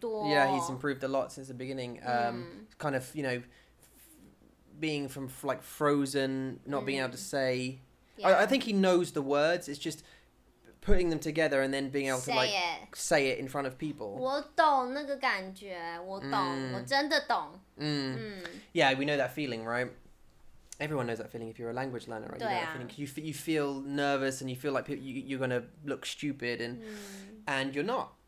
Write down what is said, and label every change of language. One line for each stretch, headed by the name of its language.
English: Yeah, he's improved a lot since the beginning. Kind of, you know, being from like frozen, not being able to say. I think he knows the words. It's just putting them together and then being able to like say it in front of people.
Chinese: 我懂那个感觉，我懂，我真的懂。
English: Yeah, we know that feeling, right? Everyone knows that feeling if you're a language learner, right? You know that feeling. You feel nervous and you feel like you're going to look stupid and and you're not.